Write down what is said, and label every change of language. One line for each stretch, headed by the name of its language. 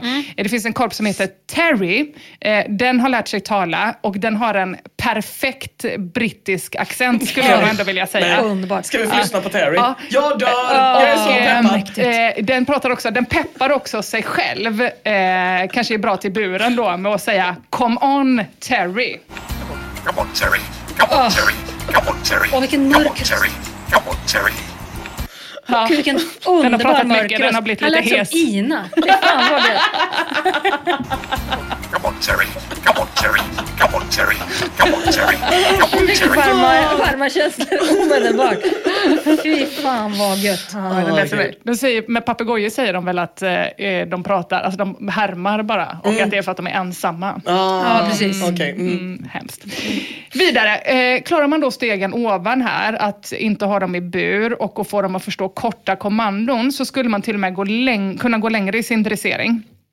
Swedish: Mm. Det finns en korp som heter Terry. Den har lärt sig tala och den har en perfekt brittisk accent, skulle jag ändå vilja säga. Underbart. Ska vi få lyssna på Terry? Ja. Jag dör! Jag är så peppad. Den pratar också, den peppar också sig själv. Kanske är bra till buren då, med att säga
English: come on Terry. Come on Terry, come on Terry, come on Terry.
Swedish: Åh, vilken mörk.
English: Come on Terry, come on Terry.
Swedish: Ja. Vilken underbar mörker. Den har pratat mycket, den har blivit lite hes. Han lät som Ina. Det fan var det.
English: Come on Terry, come on Terry, come on Terry, come on Terry, come on Terry.
Swedish: Mycket varma känslor omedelbart. Fy fan vad gött. Oh, de säger, med papegojor säger de väl att de pratar, alltså de härmar bara. Och att det är för att de är ensamma. Ja, precis. Okay. Hemskt. Vidare, klarar man då stegen ovan här, att inte ha dem i bur och att få dem att förstå korta kommandon, så skulle man till och med kunna gå längre i sin dressering.